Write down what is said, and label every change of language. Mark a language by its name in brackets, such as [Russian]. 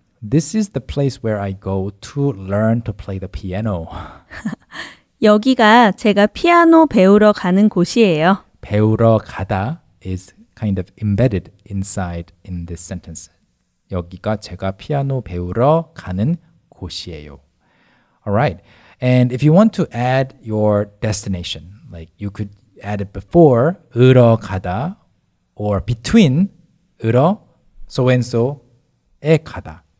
[English] This is the place where I go to learn to play the piano. [Korean] 여기가 제가 피아노 배우러 가는 곳이에요. 배우러 가다 [English] is kind of embedded inside in this sentence. [Korean] 여기가 제가 피아노 배우러 가는 곳이에요. [English] All right. And if you want to add your destination, like you could add it before 으러 가다 or between 으러 so-and-so에 가다.